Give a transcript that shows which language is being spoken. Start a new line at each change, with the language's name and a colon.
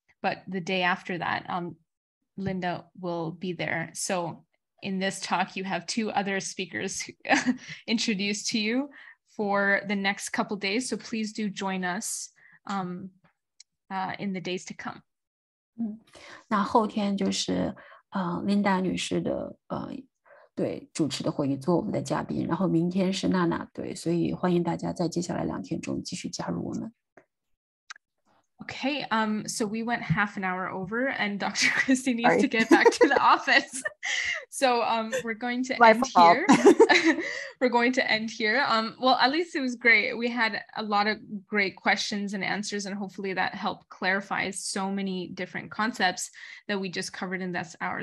English: But the day after that, Linda will be there. So in this talk, you have two other speakers introduced to you for the next couple of days. So please do join us in the days to come.
Chinese: 那后天就是Linda 女士的对主持的会议做我们的嘉宾，然后明天是娜娜，对，所以欢迎大家在接下来两天中继续加入我们。
English: Okay, so we went half an hour over and Dr. Christie needs to get back to the office. So we're going to end here. We're going to end here. Well, at least it was great. We had a lot of great questions and answers, and hopefully that helped clarify so many different concepts that we just covered in this hour.